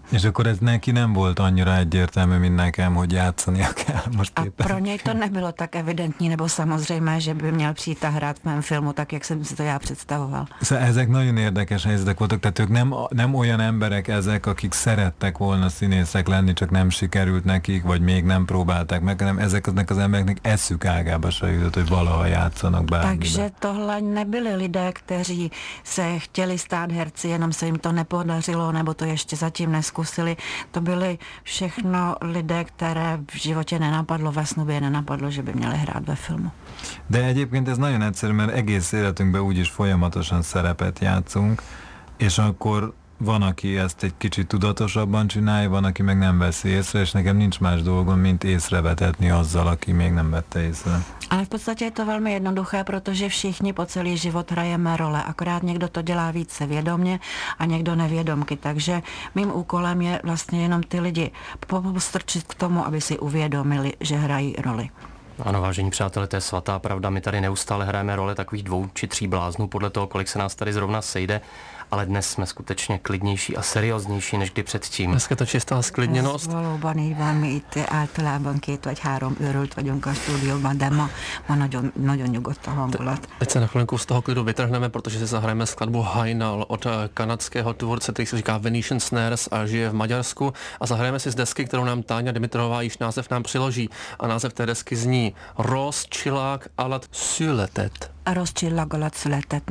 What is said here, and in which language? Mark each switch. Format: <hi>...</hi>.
<hu>És akkor ez neki nem volt annyira egyértelmű, mint nekem, hogy játszania kell most a éppen.</hu> <cs>A pro něj to nebylo tak evidentní, nebo samozřejmé, že by měl přijít a hrát v mém filmu, tak jak jsem si to já představoval.</cs> <hu>Szóval ezek nagyon érdekes helyzetek voltak, tehát ők nem olyan emberek ezek, akik szerettek volna színészek lenni, csak nem sikerült nekik, vagy még nem próbálták meg, hanem ezeknek az embereknek eszük ágába se jutott, hogy valaha játszanak bármiben.</hu> <cs>Takže tohle nebyli lidé, kteří se chtěli stát herci, jenom se jim to nepodařilo, nebo to ještě zatím neskusili. To byly všechno lidé, které v životě nenapadlo, ve snu by je nenapadlo, že by měli hrát ve filmu.</cs> <hu>De egyébként ez nagyon egyszerű, mert egész életünkben úgyis folyamatosan szerepet játszunk, és akkor van, aki ezt egy kicsit tudatosabban csinálja, van, aki meg nem veszi észre, és nekem nincs más dolgom, mint észrevetetni azzal, aki még nem vette észre.</hu> <cs>Ale v podstatě je to velmi jednoduché, protože všichni po celý život hrajeme role, akorát někdo to dělá více vědomě a někdo nevědomky, takže mým úkolem je vlastně jenom ty lidi postrčit k tomu, aby si uvědomili, že hrají roli. Ano, vážení přátelé, to je svatá pravda, my tady neustále hrajeme role takových dvou či tří bláznů podle toho, kolik se nás tady zrovna sejde. Ale dnes jsme skutečně klidnější a serióznější než kdy předtím. Dneska to čistá sklidněnost.</cs> <hu>Valóban így van, mi itt általában két vagy három őrült vagyunk a stúdióban, de ma nagyon, nagyon nyugodt a hangulat.</hu> <cs>Teď se na chvilku z toho klidu vytrhneme, protože si zahrajeme skladbu Hajnal od kanadského tvůrce, který se říká Venetian Snares a žije v Maďarsku. A zahrajeme si z desky, kterou nám Táňa Dimitrová již název nám přiloží. A název té desky zní Rozčilák alat Sületet. Rozčilák alat Sületet.</cs>